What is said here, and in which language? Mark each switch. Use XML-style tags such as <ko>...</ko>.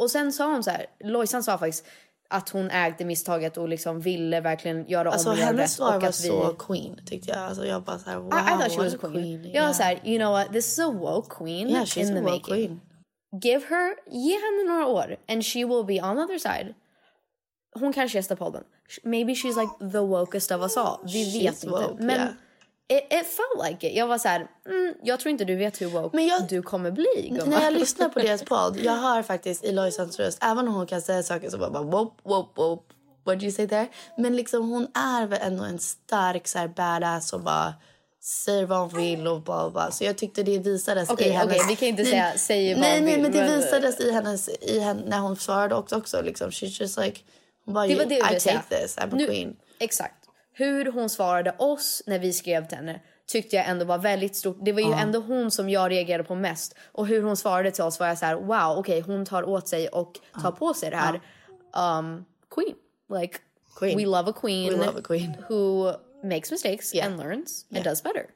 <sv>Och sen sa hon så här, Loisan sa faktiskt att hon ägde misstaget och liksom ville verkligen göra om det. Alltså hennes svar var så queen, tyckte jag. Alltså jag bara så här, wow.</sv> <en>I thought she was a queen.</en> <sv>Jag var så här,</sv> <en>you know what, this is a woke queen. Yeah, she's in the making. Queen.</en> <sv>Ge henne några år</sv> <en>and she will be on the other side.</en> <sv>Hon kanske gästar podden.</sv> <en>Maybe she's like the wokest of us all.</en> <sv>Vi vet inte.</sv> <en>Woke,</en> <sv>men</sv> <en>yeah. It felt like it.</en> <sv>Jag var så här, jag tror inte du vet hur woke men du kommer bli, gumma. När jag lyssnar på deras podd, jag hör faktiskt i Loisans röst, även om hon kan säga saker som bara,</sv> <en>woop, woop, woop, what did you say there?</en> <sv>Men liksom hon är väl ändå en stark så här badass som bara säger vad hon vill och bara. Så jag tyckte det visades i hennes... Okej, vi kan inte säga, säger vad hon vill. Nej, men det visades i hennes, när hon svarade också liksom.</sv> <en>She's just like,</en> <sv>hon bara,</sv> <en>I'm a queen.</en> <sv>Exakt. Hur hon svarade oss när vi skrev till henne tyckte jag ändå var väldigt stort. Det var ju ändå hon som jag reagerade på mest. Och hur hon svarade till oss var jag så här, wow, okej, hon tar åt sig och tar på sig det här.</sv> <en>Queen. Like, queen. We love a queen. We love a queen. Who makes mistakes and learns and does better.</en>